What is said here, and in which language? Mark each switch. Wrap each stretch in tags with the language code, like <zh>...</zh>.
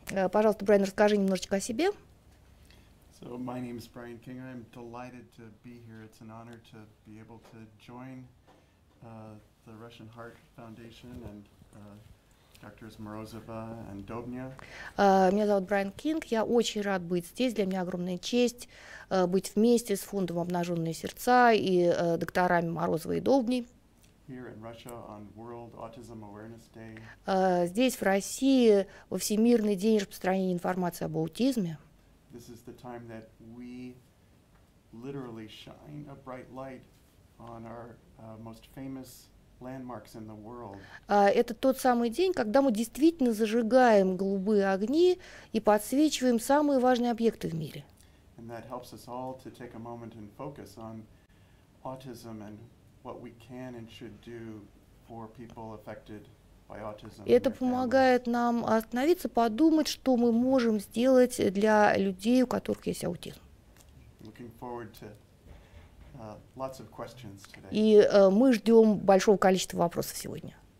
<ru>Пожалуйста, Брайан, расскажи немножечко о себе.</ru> <en>So my name is Brian King. I'm delighted to be here. It's an honor to be able to join the Russian Heart Foundation and doctors Morozova and Dobnya.</en> <ru>Меня зовут Брайан Кинг. Я очень рад быть здесь. Для меня огромная честь быть вместе с фондом «Обнаженные сердца» и докторами Морозова и Dobny.</ru> <en>Here in Russia on World Autism Awareness Day.</en> <ru>Здесь, в России, во Всемирный день распространения информации об аутизме.</ru> <en>This is the time that we literally shine a bright light on our most famous landmarks in the world.</en> <ru>Это тот самый день, когда мы действительно зажигаем голубые огни и подсвечиваем самые важные объекты в мире.</ru> <en>And that helps us all to take a moment and focus on autism and what we can and should do for people affected by autism.</en> <ru>Это помогает нам остановиться, подумать, что мы можем сделать для людей, у которых есть аутизм.</ru> <en>Looking forward to lots of questions today.</en> <ru>И мы ждем большого количества вопросов сегодня.</ru>